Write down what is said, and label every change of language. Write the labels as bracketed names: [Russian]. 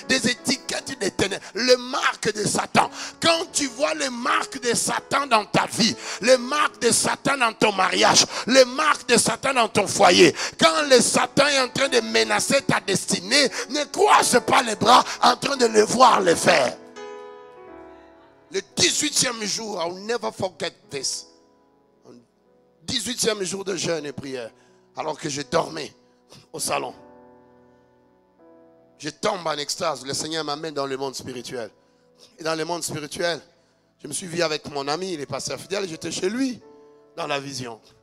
[French] Des étiquettes des ténèbres, les marques de Satan. Quand tu vois les marques de Satan dans ta vie, les marques de Satan dans ton mariage, les marques de Satan dans ton foyer, quand le Satan est en train de menacer ta destinée, ne croise pas les bras en train de le voir le faire. Le 18e jour, [English] I'll never forget this. [French] 18e jour de jeûne et prière, alors que je dormais au salon. Je tombe en extase, le Seigneur m'amène dans le monde spirituel. Et dans le monde spirituel, je me suis vu avec mon ami, il est pasteur fidèle, j'étais chez lui dans la vision.